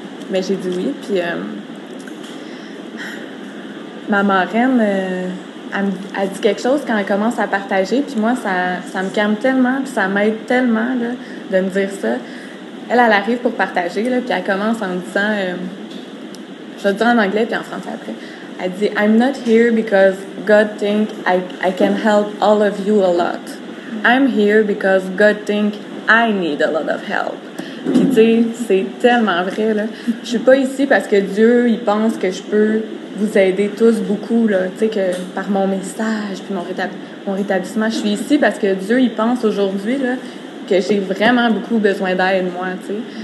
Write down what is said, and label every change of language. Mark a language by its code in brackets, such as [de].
[fr] Mais j'ai dit oui, puis ma marraine, elle dit quelque chose quand elle commence à partager, puis moi, ça me calme tellement, puis ça m'aide tellement, là, de me dire ça. Elle arrive pour partager, là, puis elle commence en me disant, je vais te dire en anglais, puis en français après. Elle dit, [en] « I'm not here because God thinks I can help all of you a lot. » I'm here because God thinks I need a lot of help. [fr] Puis, tu sais, c'est tellement vrai, là. Je suis pas ici parce que Dieu, il pense que je peux vous aider tous beaucoup, là. Tu sais, que par mon message puis mon rétablissement, je suis ici parce que Dieu, il pense aujourd'hui, là, que j'ai vraiment beaucoup besoin d'aide, moi, tu sais.